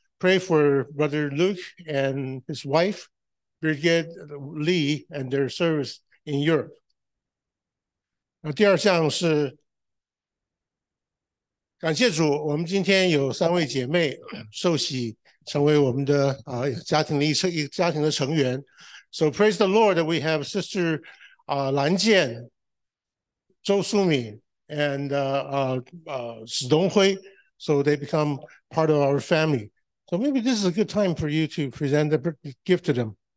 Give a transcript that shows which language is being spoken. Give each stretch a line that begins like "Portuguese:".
English: Pray for Brother Luke and his wife, Bridget Lee, and their service in Europe.
Chinese: 第二项是感谢主，我们今天有三位姐妹受洗成为我们的家庭的一家庭的成员。
English: So praise the Lord that we have Sister 蓝健、周淑敏 and 史东辉 ，so they become part of our family. So maybe this is a good time for you to present the gift to them.